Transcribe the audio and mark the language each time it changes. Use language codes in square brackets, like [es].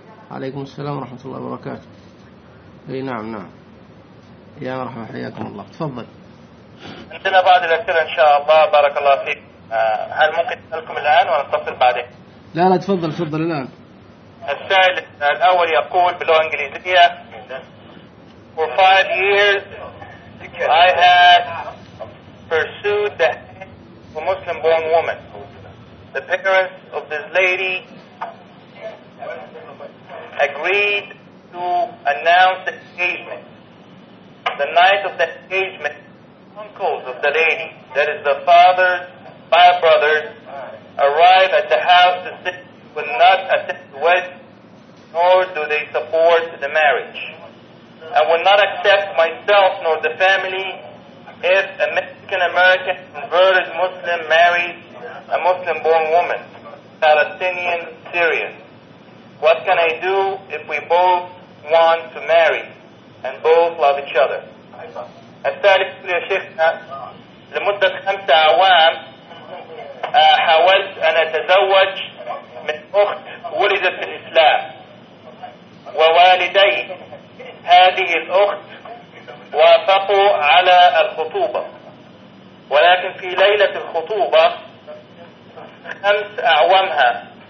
[ar] عليكم السلام ورحمة الله وبركاته. اي نعم نعم. يا مرحبا حياكم الله. تفضل. عندنا بعض الأسئلة إن شاء الله بارك الله فيك. هل ممكن تسألكم الآن ولا نتصل بعدين؟ لا لا تفضل تفضل الآن. السائل الأول يقول باللغة الإنجليزية: [en] For 5 years I had pursued the hand of a Muslim-born woman. The parents of this lady agreed to announce the engagement. The night of the engagement, uncles of the lady, that is the father's five brothers, arrive at the house to sit, but not attend the wedding, nor do they support the marriage. I will not accept myself nor the family if a Mexican-American converted Muslim marries a Muslim-born woman, Palestinian Syrian. What can I do if we both want to marry and both love each other? [ar] الثالث يا شيخنا: لمدة 5 أعوام حاولت أن أتزوج من أخت ولدت في الإسلام، ووالدي هذه الأخت وافقوا على الخطوبة، ولكن في ليلة الخطوبة 5 أعوامها،